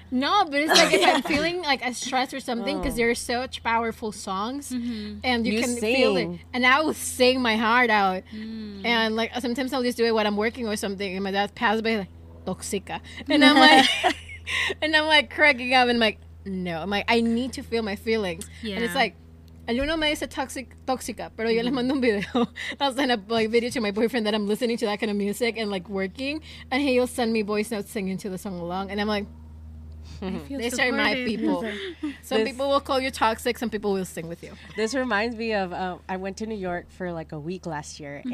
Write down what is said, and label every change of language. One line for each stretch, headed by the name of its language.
English: No, but it's like if I'm feeling like a stress or something, because they're such powerful songs, and you can sing. Feel it. And I will sing my heart out. And like sometimes I'll just do it when I'm working or something, and my dad passes by like Toxica, and I'm like, and I'm like cracking up, and I'm like, no, I'm like, I need to feel my feelings, and it's like.
Spanish: Alguno me dice tóxica, pero yo le mando un video.
English: I'll send a like, video to my boyfriend that I'm listening to that kind of music and, like, working. And he'll send me voice notes singing to the song along. And I'm like, these are my people. Some this, people will call you toxic. Some people will sing with you. This reminds me of I went to New York for, like, a week last year. Mm-hmm.